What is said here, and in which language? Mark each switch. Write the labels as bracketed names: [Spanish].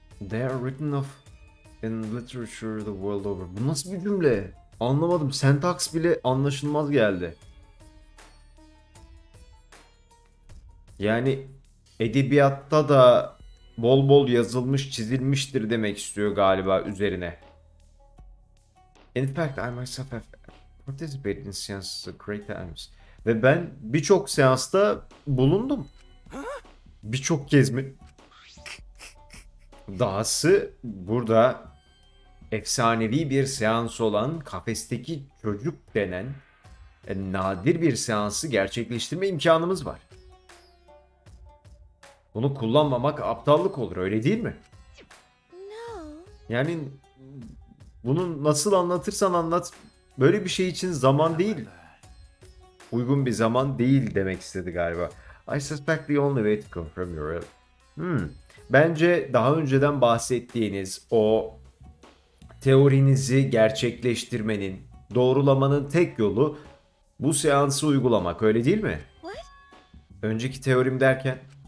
[English] They are written of in literature the world over. [Turkish] Bu nasıl bir cümle? Anlamadım. Sentaks bile anlaşılmaz geldi. Yani edebiyatta da bol bol yazılmış, çizilmiştir demek istiyor galiba üzerine. [English] In fact, I myself have participated in seances of great times. [Turkish] Ve ben birçok seansta bulundum. Birçok kez mi? Dahası burada efsanevi bir seans olan kafesteki çocuk denen nadir bir seansı gerçekleştirme imkanımız var. Bunu kullanmamak aptallık olur, öyle değil mi? Yani bunu nasıl anlatırsan anlat, böyle bir şey için zaman değil, uygun bir zaman değil demek istedi galiba. [English] I suspect the only way to confirm your... [Turkish] Bence daha önceden bahsettiğiniz o teorinizi gerçekleştirmenin, doğrulamanın tek yolu bu seansı uygulamak, öyle değil mi? Önceki teorim derken...